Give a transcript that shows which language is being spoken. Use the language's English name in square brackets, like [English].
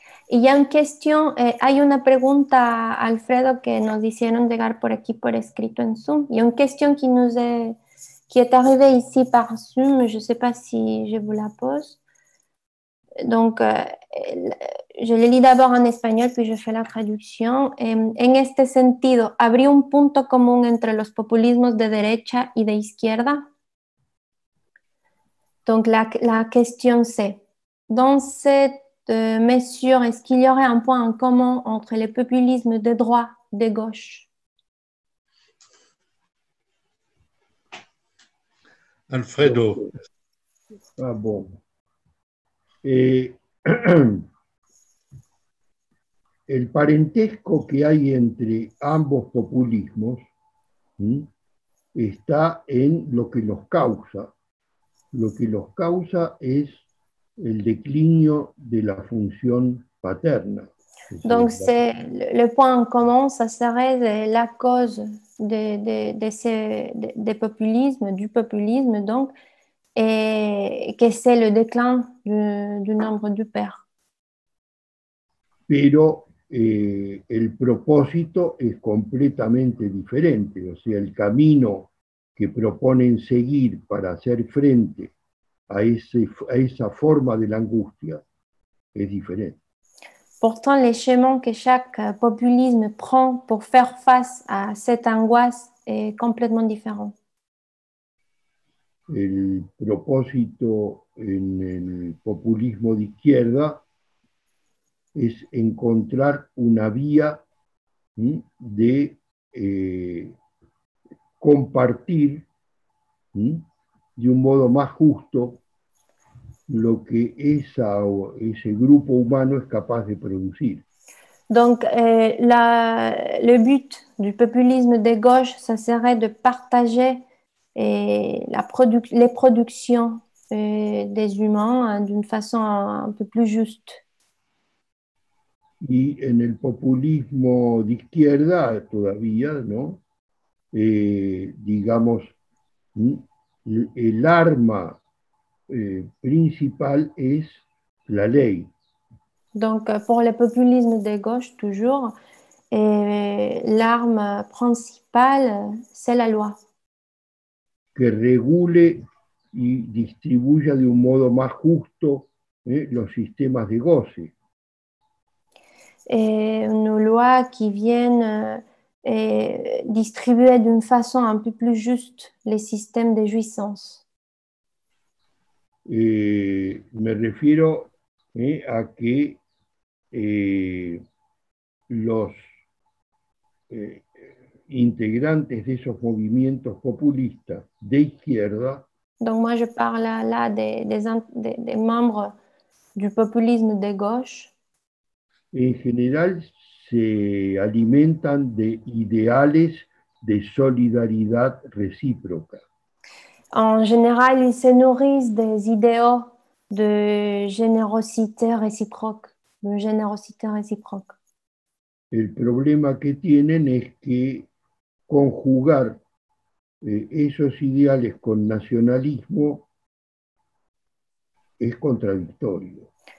[Spanish] Y hay una cuestión, hay una pregunta, Alfredo, que nos hicieron llegar por aquí por escrito en Zoom. Y una cuestión que nos [French] est arrivée ici par Zoom, je ne sais pas si je vous la pose. Donc, je le lis d'abord [Spanish] en español, [French] puis je fais la traducción. [Spanish] En este sentido, ¿habría un punto común entre los populismos de derecha y de izquierda? [French] Donc, [Spanish] la cuestión [French] c'est, dans cette Mais sûr, est-ce qu'il y aurait un point en commun entre les populismes de droite et de gauche? Alfredo. Ah bon. [Spanish] Et el parentesco que hay entre ambos populismos está en lo que los causa. Lo que los causa es el declinio de la función paterna. [French] Donc c'est le point en commun, ça serait la cause de populismes, du populisme donc, et que c'est le déclin du nombre du père. [Spanish] Pero el propósito es completamente diferente, o sea, el camino que proponen seguir para hacer frente a esa forma de la angustia es diferente. [French] Pourtant, les chemins que chaque populisme prend pour faire face à cette angoisse est complètement différent. [Spanish] El propósito en el populismo de izquierda es encontrar una vía de compartir de un modo más justo lo que ese grupo humano es capaz de producir. [French] Donc, le but du populisme de gauche, ça serait de partager les productions des humains d'une façon un peu plus juste. [Spanish] Y en el populismo de izquierda todavía, ¿no? Digamos, el arma principal es la ley. [French] Donc, pour le populisme de gauche, toujours, l'arme principale, c'est la loi. [Spanish] Que regule y distribuya de un modo más justo los sistemas de goce. [French] Et une loi qui vienne distribuer d'une façon un peu plus juste les systèmes de jouissance. [Spanish] Me refiero à que los integrantes de esos movimientos populistas de izquierda. [French] Donc moi je parle là des membres du populisme de gauche. [Spanish] En general se alimentan de ideales de solidaridad recíproca. [French] En general, ils se nourrissent des idéaux de générosité réciproque, de générosité réciproque. [Spanish] El problema que tienen es que conjugar esos ideales con nacionalismo es contradictorio.